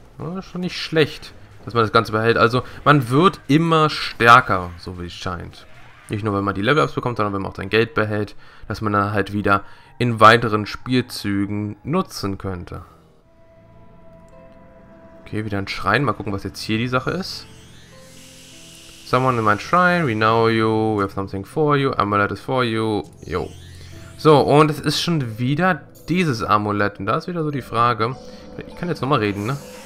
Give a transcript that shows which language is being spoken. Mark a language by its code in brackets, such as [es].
[de] Ja, schon nicht schlecht, dass man das Ganze behält. Also, man wird immer stärker, so wie es scheint. Nicht nur, wenn man die Level-Ups bekommt, sondern wenn man auch sein Geld behält, dass man dann halt wieder in weiteren Spielzügen nutzen könnte. Okay, wieder ein Schrein. Mal gucken, was jetzt hier die Sache ist. [en] Someone in my shrine, we know you, we have something for you, amulet is for you, yo. [de] So, und es ist schon wieder dieses Amulett. Und da ist wieder so die Frage. Ich kann jetzt nochmal reden, ne?